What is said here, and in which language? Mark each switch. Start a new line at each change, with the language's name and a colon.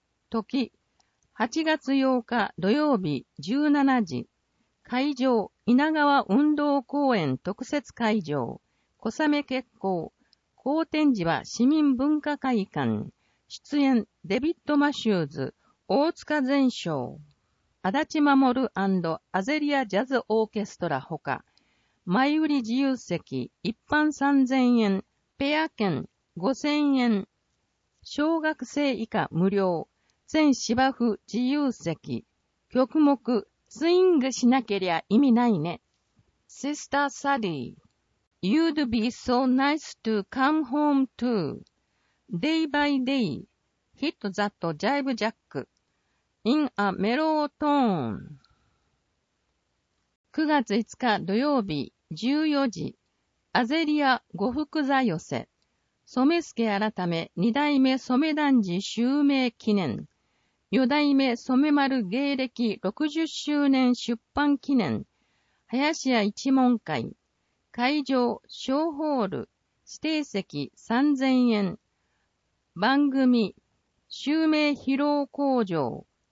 Japanese: 時、8月8日土曜日17時、会場稲川運動公園特設会場、小雨結構、好天時は市民文化会館、出演デビッド・マシューズ、大塚善章、足立守&アゼリア・ジャズ・オーケストラほか、前売り自由席、一般3000円、ペア券5000円、小学生以下無料、全芝生自由席、曲目、スイングしなけりゃ意味ないね。
English: Sister Sally, You'd be so nice to come home too. Day by day, hit that jive jack in a mellow tone.
Japanese: 9月5日土曜日、14時、アゼリア呉服座寄せ、染助改め二代目染男児襲名記念、四代目染丸芸歴60周年出版記念、林家一門会、会場小ホール、指定席3000円、番組襲名披露工場、